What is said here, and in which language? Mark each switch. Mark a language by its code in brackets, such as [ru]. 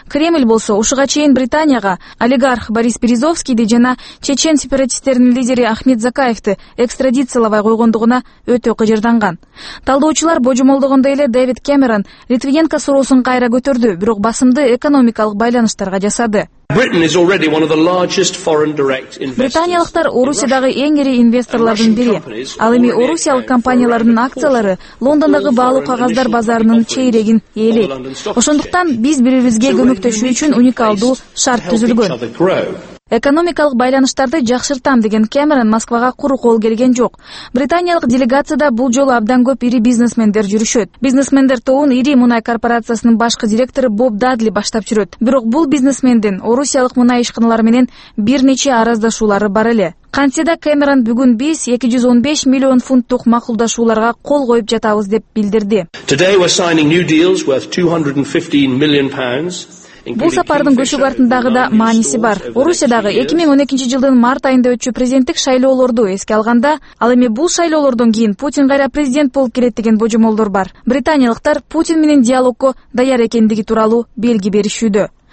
[ky] Кремль болсо ушуга чейин Британияга олигарх Борис Березовскийди жана чечен сепаратисттеринин лидери Ахмед Закаевти экстрадициялабай койгондугуна өтө кыжырданган. Талдоочулар божомолдогондой эле Дэвид Кэмерон Литвиненко суроосун кайра көтөрдү, бирок басымды экономикалык байланыштарга жасады. [en] Britain is already one of the largest foreign direct investors. [ky] Британиялыктар Орусиядагы эң ири инвесторлордун бири. Ал эми Орусиялык компаниялардын акциялары Лондондогу баалуу кагаздар базарынын чейрегин ээлейт. Ошондуктан биз бири-бирибизге көмөктөшүү үчүн уникалдуу шарт түзүлгөн. Экономикалык байланыштарды жакшыртам деген Кэмерон Москвага куру кол келген жок. Британиялык делегацияда бул жолу абдан көп ири бизнесмендер жүрүшөт. Бизнесмендер тобун ири мунай корпорациясынын башкы директору Боб Дадли баштап жүрөт. Бирок бул бизнесмендин Орусиялык мунай ишканалары менен бир нече араздашуулары бар эле. Кантсе да Кэмерон бүгүн биз 215 миллион фунттук макулдашууларга кол коюп жатабыз деп билдирди. [en] Today we're signing new deals worth 215 million pounds. [ky] Бул сапардын көшүк артындагы да мааниси бар. Орусиядагы 2012 жылдын март айында өтчү президенттик шайлоолорду эске алганда, ал эми бул шайлоолордон кийин Путин кайра президент болуп келет деген божомолдор бар. Британиялыктар Путин менен диалогко даяр экендиги тууралуу белги беришүүдө.